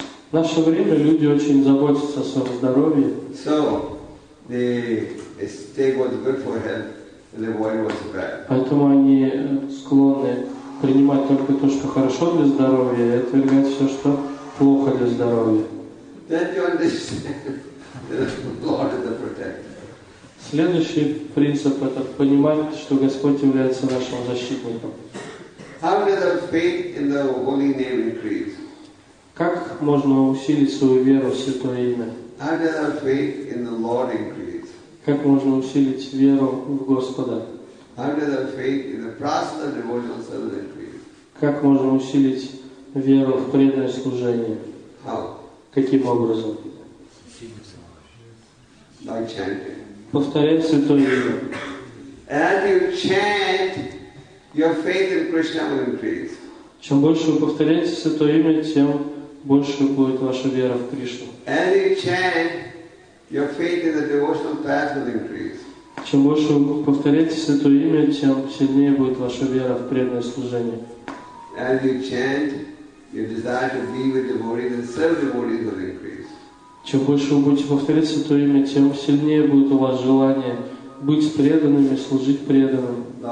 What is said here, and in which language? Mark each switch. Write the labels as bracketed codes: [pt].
[ru] В наше время люди очень заботятся о своем здоровье. [en] So, they what's good for health and avoid what's bad. [ru] Поэтому они склонны принимать только то, что хорошо для здоровья, и отвергать все, что плохо для здоровья. [en] Then you understand that the Lord is the protector. [ru] Следующий принцип – это понимать, что Господь является нашим защитником. [en] How does our faith in the holy name increase? [ru] Как можно усилить свою веру в Святое Имя? [en] How does our faith in the Lord increase? [ru] Как можно усилить веру в Господа? [en] How does our faith in the process of devotional service increase? [ru] Как можно усилить веру в преданное служение? [en] How? [ru] Каким образом? [en] By chanting. [ru] Повторять Святое Имя. [en] As you chant, your faith in Krishna will increase. [ru] Чем больше вы повторяете Святое Имя, тем больше будет ваша вера в Кришну. [en] As you chant, your faith in the devotional path will increase. [ru] Чем больше вы повторяете Святое Имя, тем сильнее будет ваша вера в преданное служение. [en] As you chant, your desire to be with devotees and serve devotees will increase. [ru] Чем больше вы будете повторять Святое Имя, тем сильнее будет у вас желание быть преданными, служить преданным.